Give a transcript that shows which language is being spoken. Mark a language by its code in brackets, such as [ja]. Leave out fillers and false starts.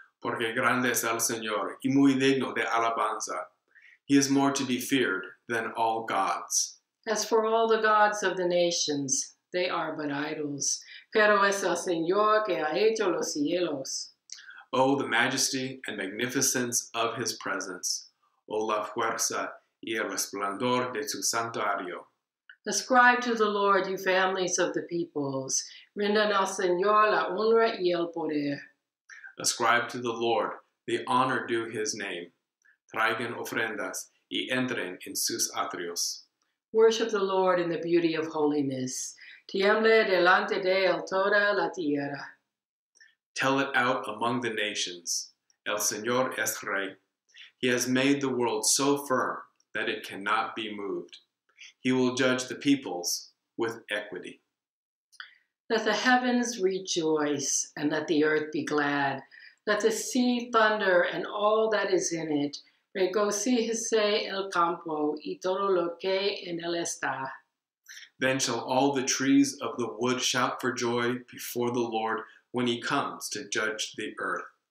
[es] Porque grande es el Señor, y muy digno de alabanza. [en] He is more to be feared than all gods. As for all the gods of the nations, they are but idols. [es] Pero es el Señor que ha hecho los cielos. [en] Oh, the majesty and magnificence of his presence. [es] Oh, la fuerza y el esplendor de su santuario. [en] Ascribe to the Lord, you families of the peoples. [es] Rindan al Señor la honra y el poder. [en] Ascribe to the Lord the honor due his name. [es] Traigan ofrendas y entren en sus atrios. [en] Worship the Lord in the beauty of holiness. [es] Tiemble delante de él toda la tierra. [en] Tell it out among the nations. [es] El Señor es Rey. [en] He has made the world so firm that it cannot be moved. He will judge the peoples with equity. Let the heavens rejoice and let the earth be glad. Let the sea thunder and all that is in it. [es] Regocíjese el campo y todo lo que en él está. [en] Then shall all the trees of the wood shout for joy before the Lord when he comes to judge the earth.